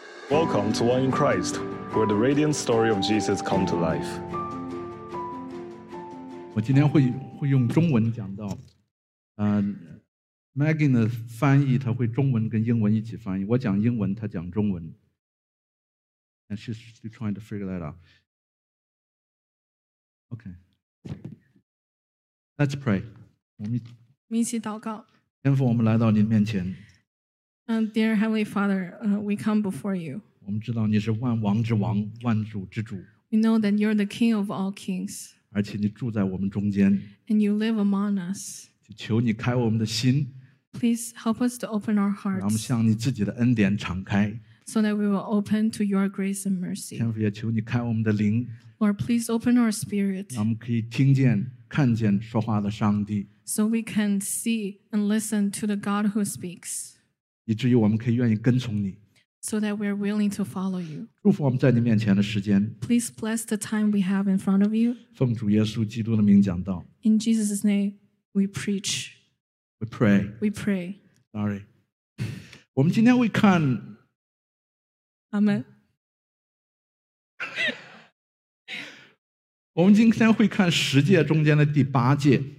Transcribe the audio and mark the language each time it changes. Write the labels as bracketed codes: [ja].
[en] Welcome to One in Christ, where the radiant story of Jesus come to life. [zh] 我今天 会用中文讲到、Maggie 的翻译他会中文跟英文一起翻译，我讲英文他讲中文。 [en] And she's still trying to figure that out. Okay. Let's pray. [zh] 我们一起祷告。天父，我们来到您面前。 [en] Dear Heavenly Father, we come before you. [zh] 我们知道你是万王之王，万主之主。 [en] We know that you're the King of all kings. [zh] 而且你住在我们中间。 [en] And you live among us. [zh] 求你开我们的心。 [en] Please help us to open our hearts. [zh] 让我们向你自己的恩典敞开。 [en] So that we will open to your grace and mercy. [zh] 天父，也求你开我们的灵。 [en] Lord, please open our spirit. [zh] 让我们可以听见、看见说话的上帝。 [en] So we can see and listen to the God who speaks. [zh] 以至于我们可以愿意跟从你。 [en] So that we are willing to follow you. [zh] 祝福我们在你面前的时间。 [en] Please bless the time we have in front of you. [zh] 奉主耶稣基督的名讲道。 [en] In Jesus' name, we preach. We pray. We pray. Sorry. [zh] 我们今天会看。 [en] Amen. [zh] 我们今天会看十诫中间的第八诫。